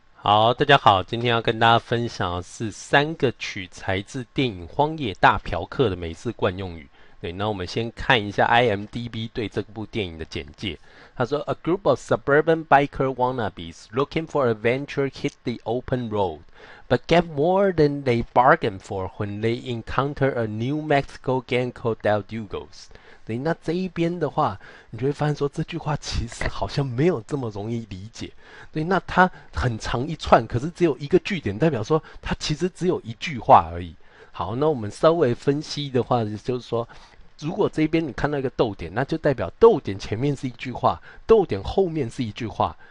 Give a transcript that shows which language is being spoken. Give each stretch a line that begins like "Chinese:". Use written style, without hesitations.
Chinese: 好，大家好，今天要跟大家分享的是三个取材自电影《荒野大嫖客》的美式惯用语。对，那我们先看一下 IMDB 对这部电影的简介。他说：“
English: A group of suburban biker wannabes looking for adventure hit the open road, but get more than they bargained for when they encounter a New Mexico gang called Del Dugos。”
Chinese: 对，那这一边的话，你就会发现说这句话其实好像没有这么容易理解。对，那它很长一串，可是只有一个句点，代表说它其实只有一句话而已。好，那我们稍微分析的话，就是说，如果这边你看到一个逗点，那就代表逗点前面是一句话，逗点后面是一句话。